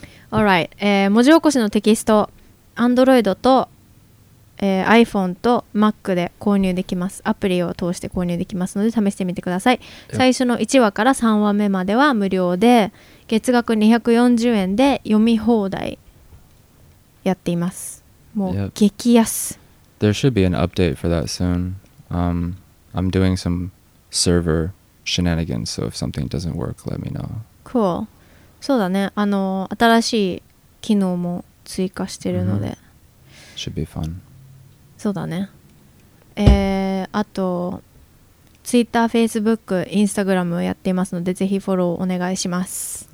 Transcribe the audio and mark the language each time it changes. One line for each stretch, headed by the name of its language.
Japanese: Alright, 文字起こしのテキスト、Android とiPhone と Mac で購入できます。アプリを通して購入できますので試してみてください。最初の1話から3話目までは無料で月額240円で読み放題やっています。もう激安。
English: There should be an update for that soon. I'm doing some server shenanigans, so if something doesn't work, let me know. Cool.
Japanese: そうだね、新しい機能も追加してるので、
English: mm-hmm. Should be fun.
Japanese: そうだね。あと Twitter、Facebook、Instagram やっていますのでぜひフォローお願いします。